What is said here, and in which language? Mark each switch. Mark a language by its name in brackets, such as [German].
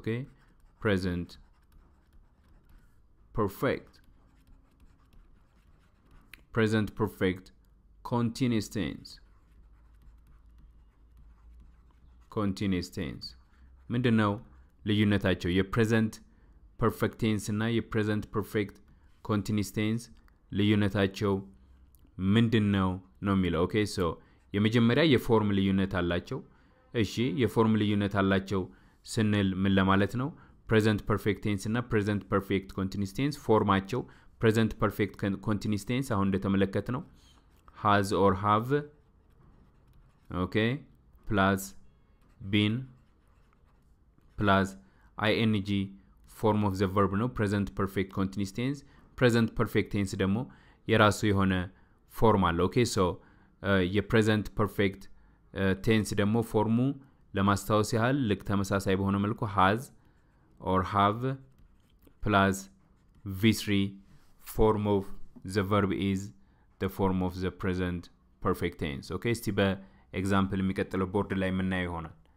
[English] Okay, present perfect, present perfect continuous tense, continuous tense. [Amharic] ምንድነው ልዩነታቸው? የpresent perfect tense እና የpresent perfect continuous tense ልዩነታቸው ምንድነው ነው የሚለው? Okay, so የመጀመሪያ የፎርም ልዩነት አላቸው. እሺ, የፎርም ልዩነት አላቸው ስንል ምን ለማለት ነው? [English] present perfect tense እና present perfect continuous tense ፎርማቸው present perfect continuous tense [Amharic] አሁን እንደተመለከት ነው [English] has or have okay plus been plus ing form of the verb ነው present perfect continuous tense. [Amharic] present perfect tense ደግሞ የራሱ የሆነ ፎርም አለ. [English] okay, so የpresent perfect tense [Amharic] ደግሞ ፎርሙ ለማስተዋወስ ያህል ልክ ተመሳሳይ በሆነ መልኩ [English] has or have plus v3 form of the verb is the form of the present perfect tense. [Amharic] Okay, እስቲ በኤግዛምፕል የሚከተለው ቦርድ ላይ ምን ነው ይሆናል?